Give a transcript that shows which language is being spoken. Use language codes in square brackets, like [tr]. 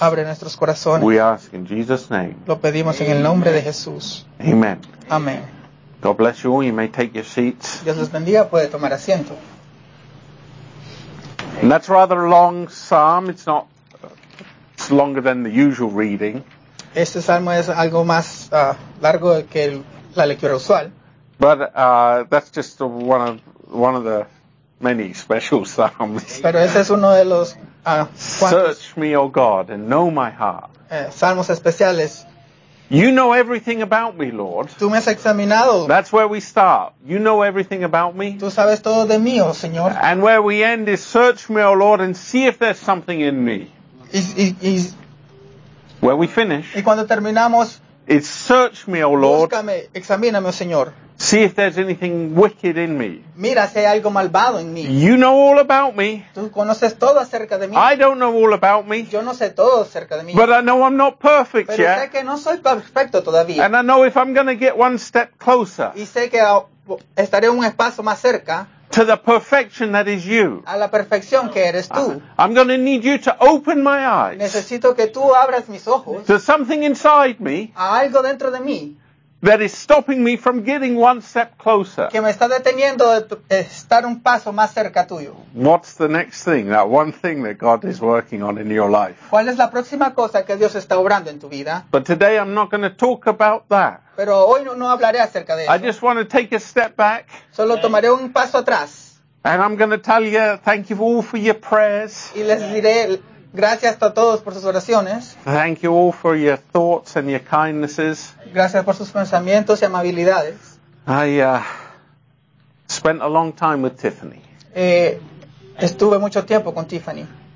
[es] Abre nuestros corazones. [en] We ask in Jesus' name. [es] Lo pedimos en el nombre de Jesús. [en] Amen. Amen. God bless you all. You may take your seats. [es] Dios les bendiga. Puede tomar asiento. [en] And that's rather a long psalm. It's not; it's longer than the usual reading. [es] Este salmo es algo más largo que la lectura usual. [en] But that's just one of the many special psalms. [es] Pero ese es uno de los. [en] Search me, O God, and know my heart. [es] Salmos especiales. [en] You know everything about me, Lord. [es] Tú me has examinado. [en] That's where we start. You know everything about me. [es] Tú sabes todo de mí, oh Señor. [en] And where we end is, search me, O Lord, and see if there's something in me. Is where we finish. [es] Y cuando terminamos, [en] it's search me, O Lord. [es] Búscame, examíname, oh Señor. [en] See if there's anything wicked in me. [es] Mira si hay algo malvado en mí. [en] You know all about me. [es] Tú conoces todo acerca de mí. [en] I don't know all about me. [es] Yo no sé todo acerca de mí. [en] But I know I'm not perfect [es] pero [en] yet. [es] Pero sé que no soy perfecto todavía. [en] And I know if I'm going to get one step closer. [es] Y sé que estaré un paso más cerca. [en] To the perfection that is you. [es] A la perfección que eres tú. [en] I'm going to need you to open my eyes. [es] Necesito que tú abras mis ojos. [en] To something inside me. [es] A algo dentro de mí. [en] That is stopping me from getting one step closer. [es] Que me está deteniendo de estar un paso más cerca tuyo. [en] What's the next thing? That one thing that God is working on in your life. [es] ¿Cuál es la próxima cosa que Dios está obrando en tu vida? [en] But today I'm not going to talk about that. [es] Pero hoy no hablaré acerca de eso. [en] I just want to take a step back. [es] Solo tomaré un paso atrás. [en] And I'm going to tell you, thank you all for your prayers. [es] Y les diré gracias a todos por sus oraciones. [en] Thank you all for your thoughts and your kindnesses. [es] Gracias por sus pensamientos y amabilidades. [en] I spent a long time with Tiffany. [es] Estuve mucho tiempo con Tiffany.